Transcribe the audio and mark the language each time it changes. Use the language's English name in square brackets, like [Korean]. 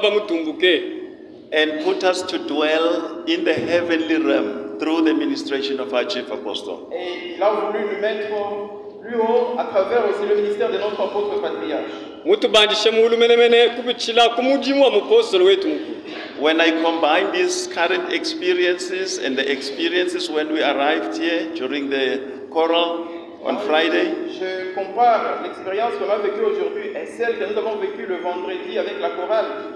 [English] And put us to dwell in the heavenly realm through the ministration of our chief apostle. [French] Et il a voulu nous mettre plus haut à travers aussi le ministère de notre apôtre patriarche. [English] When I combine these current experiences and the experiences when we arrived here during the choral on Friday, [French] je compare l'expérience qu'on a vécue aujourd'hui et celle que nous avons vécue le vendredi avec la chorale.